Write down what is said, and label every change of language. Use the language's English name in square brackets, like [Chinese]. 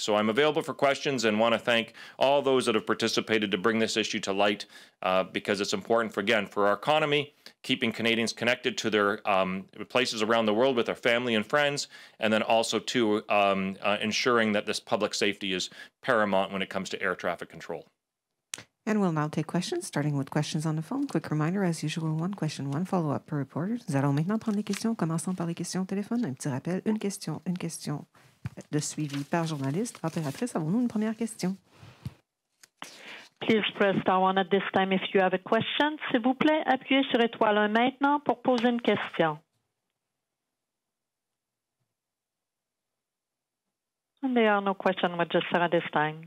[English] So I'm available for questions and want to thank all those that have participated to bring this issue to light, because it's important, for our economy, keeping Canadians connected to their places around the world with their family and friends, and then also to ensuring that this public safety is paramount when it comes to air traffic control. And we'll now take questions, starting with questions on the phone. Quick reminder, as usual, one question, one follow-up per reporter. [French] Nous allons maintenant prendre les questions, commençant par les questions au téléphone. Un petit rappel, une question de suivi par journaliste. Opératrice, avons-nous une première question? [English] Please press star one at this time if you have a question. [French] S'il vous plaît, appuyez sur étoile 1 maintenant pour poser une question. [English] And there are no questions registered at this time.